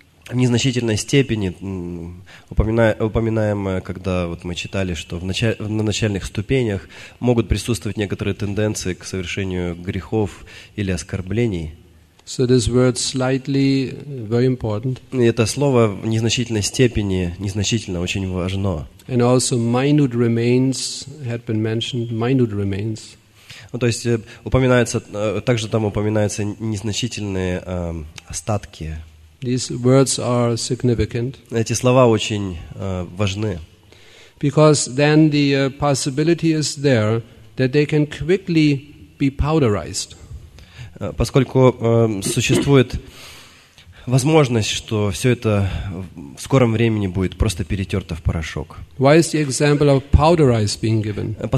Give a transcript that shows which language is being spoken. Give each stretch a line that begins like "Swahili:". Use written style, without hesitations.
Russian: В незначительной степени, упоминаемое, когда вот мы читали, что на начальных ступенях могут присутствовать некоторые тенденции к совершению грехов или оскорблений.
English: So this word slightly very important.
Russian: И это слово в незначительной степени, незначительно, очень важно.
English: And also minute remains had been mentioned, minute remains.
Russian: Ну, то есть упоминается, также там упоминаются незначительные остатки.
English: These words are significant.
Russian: Эти слова очень важны.
English: Because then the possibility is there that they can quickly be powderized.
Russian: Поскольку существует возможность, что все это в скором времени будет просто перетерто в порошок.
English: Why is the example of powderized being given?